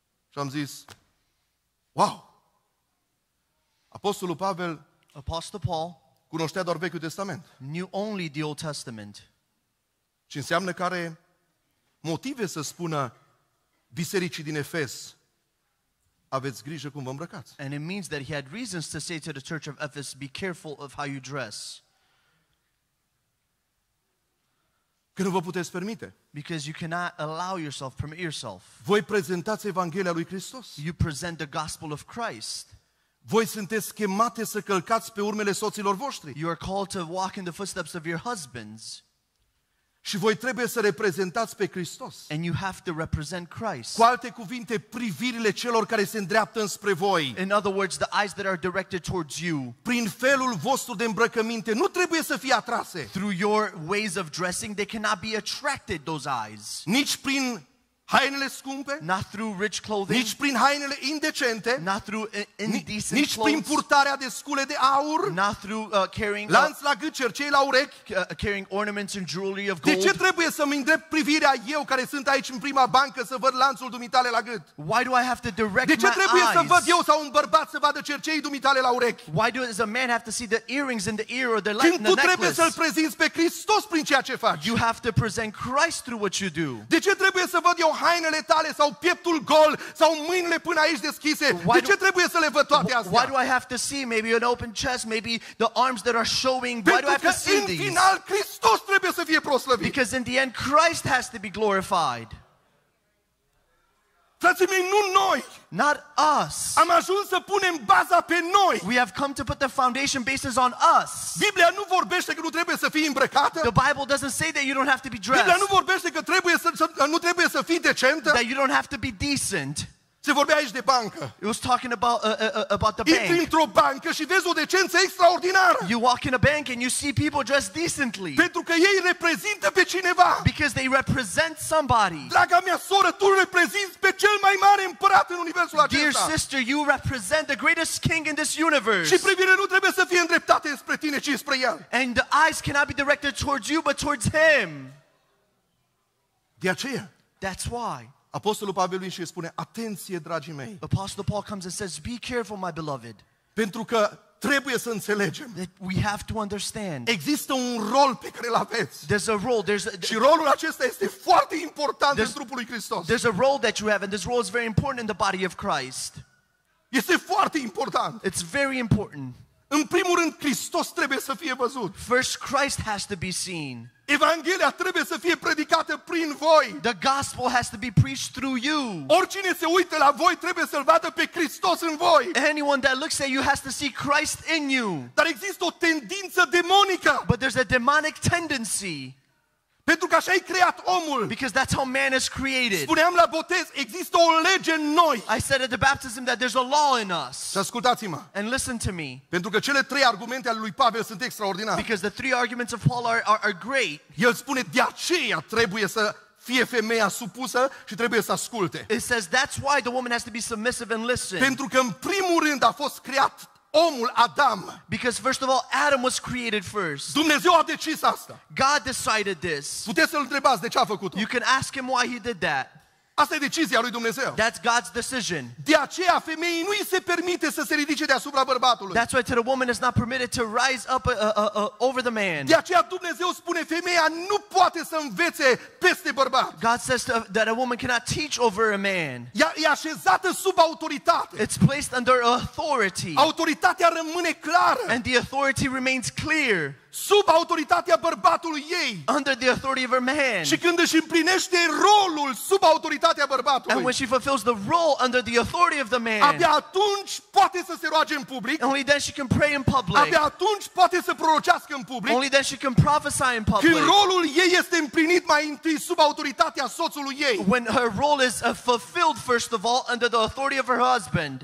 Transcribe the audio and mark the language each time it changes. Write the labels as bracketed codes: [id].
[ro] Și am zis, wow! Apostolul Pavel, [en] Apostle Paul, [ro] cunoștea doar Vechiul Testament. [en] Knew only the Old Testament. [ro] Ce înseamnă că are motive să spună bisericii din Efes, aveți grijă cum vă îmbrăcați. [en] And it means that he had reasons to say to the church of Ephesus, be careful of how you dress. [ro] Că nu vă puteți permite. [en] Because you cannot allow yourself, permit yourself. [ro] Voi prezentați Evanghelia lui Hristos. [en] You present the gospel of Christ. [ro] Voi sunteți chemate să călcați pe urmele soților voștri. [en] You are called to walk in the footsteps of your husbands. [ro] Și voi trebuie să reprezentați pe Hristos. [en] And you have to represent Christ. [ro] Cu alte cuvinte, privirile celor care se îndreaptă înspre voi. [en] In other words, the eyes that are directed towards you. [ro] Prin felul vostru de îmbrăcăminte, nu trebuie să fie atrase. [en] Through your ways of dressing, they cannot be attracted, those eyes. [ro] Nici prin hainele scumpe, [en] not through rich clothing. [ro] Nici prin hainele indecente, [en] not through indecent clothes. [ro] Nici prin purtarea de scule de aur, [en] not through carrying [ro] lanț la gât, cercei la urechi, [en] carrying ornaments and jewelry of gold. [ro] De ce trebuie să îmi îndrept privirea eu care sunt aici în prima bancă să văd lanțul dumitale la gât? [en] Why do I have to direct my eyes? [ro] De ce trebuie să văd eu sau un bărbat să vadă cercei dumitale la urechi? [en] Why does a man have to see the earrings in the ear or the necklace? [ro] Când tu trebuie să-l prezinți pe Hristos prin ceea ce faci? [en] You have to present Christ through what you do. [ro] De ce trebuie să văd eu hainele tale sau pieptul gol sau mâinile până aici deschise? De ce trebuie să le văd toate astea? [en] Why do I have to see maybe an open chest, maybe the arms that are showing? Why do I have to see these? [ro] Pentru că în final Hristos trebuie să fie proslăvit. [en] Because in the end Christ has to be glorified. [ro] Frații mei, nu noi. [en] Not us. [ro] Am ajuns să punem baza pe noi. [en] We have come to put the foundation basis on us. [ro] Biblia nu vorbește că nu trebuie să fii îmbrăcată. [en] The Bible doesn't say that you don't have to be dressed. [ro] Biblia nu vorbește că nu trebuie să fii decentă. [en] That you don't have to be decent. [ro] Se vorbea aici de bancă. [en] It was talking about the bank. [ro] Intri într-o bancă și vezi o decență extraordinară. [en] You walk in a bank and you see people dressed decently. [ro] Pentru că ei reprezintă pe cineva. [en] Because they represent somebody. [ro] Draga mea soră, tu reprezinți pe cel mai mare împărat în universul acesta. [en] Dear sister, you represent the greatest king in this universe. [ro] Și privirea nu trebuie să fie îndreptată spre tine, ci spre el. [en] And the eyes cannot be directed towards you, but towards him. [ro] De aceea. [en] That's why. [ro] Apostolul Pavel vine și spune: atenție, dragii mei. [en] Apostle Paul comes and says, be careful, my beloved. [ro] Pentru că trebuie să înțelegem. [en] That we have to understand. [ro] Există un rol pe care îl aveți. [en] There's a role. [ro] Și rolul acesta este foarte important în trupul lui Hristos. [en] There's a role that you have, and this role is very important in the body of Christ. [ro] Este foarte important. [en] It's very important. [ro] În primul rând, Hristos trebuie să fie văzut. [en] First, Christ has to be seen. [ro] Evanghelia trebuie să fie predicată prin voi. [en] The gospel has to be preached through you. [ro] Oricine se uită la voi trebuie să-l vadă pe Hristos în voi. [en] Anyone that looks at you has to see Christ in you. [ro] Dar există o tendință demonică. [en] But there's a demonic tendency. [ro] Pentru că așa ai creat omul. [en] Because that's how man is created. [ro] Spuneam la botez, există o lege în noi. [en] I said at the baptism that there's a law in us. [ro] Și ascultați-mă. [en] And listen to me. [ro] Pentru că cele trei argumente ale lui Pavel sunt extraordinare. [en] Because the three arguments of Paul are great. [ro] El spune, de aceea trebuie să fie femeia supusă și trebuie să asculte. [en] It says that's why the woman has to be submissive and listen. [ro] Pentru că în primul rând a fost creat omul Adam. [en] Because first of all, Adam was created first. [ro] Dumnezeu a decis asta. [en] God decided this. [ro] Puteți să-l întrebați de ce a făcut-o. [en] You can ask him why he did that. [ro] Asta e decizia lui Dumnezeu. [en] That's God's decision. [ro] De aceea femeii nu îi se permite să se ridice deasupra bărbatului. [en] That's why to the woman is not permitted to rise up over the man. [ro] De aceea Dumnezeu spune femeia nu poate să învețe peste bărbat. [en] God says that a woman cannot teach over a man. [ro] Ea e așezată sub autoritate. [en] It's placed under authority. [ro] Autoritatea rămâne clară. [en] And the authority remains clear. [ro] Sub autoritatea bărbatului ei. [en] Under the authority of her man. [ro] Și când își împlinește rolul sub autoritatea bărbatului. [en] And when she fulfills the role under the authority of the man. [ro] Abia atunci poate să se roage în public. [en] Only then she can pray in public. [ro] Abia atunci poate să prorocească în public. [en] Only then she can prophesy in public. [ro] Când rolul ei este împlinit mai întâi sub autoritatea soțului ei. [en] When her role is fulfilled first of all under the authority of her husband.